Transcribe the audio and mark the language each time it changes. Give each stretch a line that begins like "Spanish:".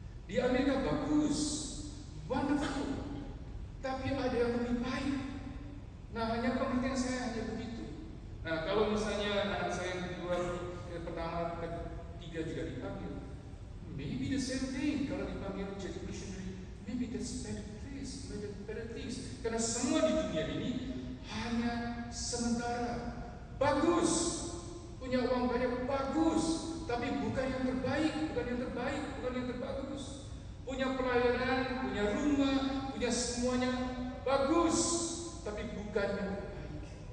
Indonesian: Di Amerika bagus, wonderful. Tapi ada yang lebih baik. Nah, hanya pemikiran saya hanya begitu. Nah, kalau misalnya anak saya yang kedua, yang pertama, ketiga juga dipanggil,
English: Maybe the same thing
Indonesian: kalau dipanggil menjadi
English: missionary. Maybe that's better place, maybe better things.
Indonesian: Karena semua di dunia ini hanya sementara. Bagus, punya uang banyak bagus, tapi bukan yang terbaik, bukan yang terbaik, bukan yang terbagus. Punya pelayanan, punya rumah, punya semuanya bagus, tapi bukan yang terbaik.